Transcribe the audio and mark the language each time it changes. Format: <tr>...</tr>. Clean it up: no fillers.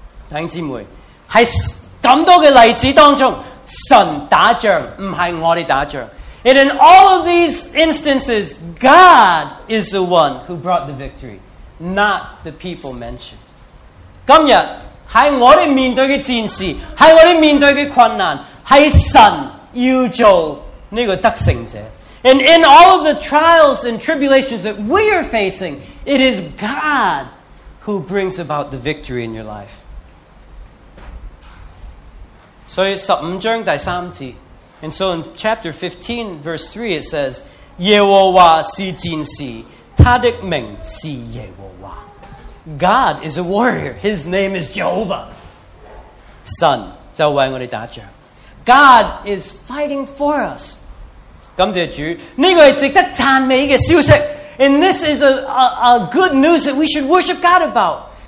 <zh>弟兄姊妹，在这么多的例子当中，神打仗不是我们打仗。</zh> <en>And in all of these instances, God is the one who brought the victory, not the people mentioned. 今天</en> <zh>是我们面对的战士，是我们面对的困难，是神要做这个得胜者。</zh> <en>And in all of the trials and tribulations that we are facing, it is God who brings about the victory in your life.</en> <zh>所以十五章第三节，</zh> <en>And so in chapter 15 verse 3 it says,</en> <zh>耶和华是战士，他的名是耶和华。</zh> <en>God is a warrior. His name is Jehovah. Son,</en> <zh>就为我们打仗。</zh> <en>God is fighting for us.</en> <zh>感谢主，这个是值得赞美的消息。</zh> <en>And this is a good news that we should worship God about.</en>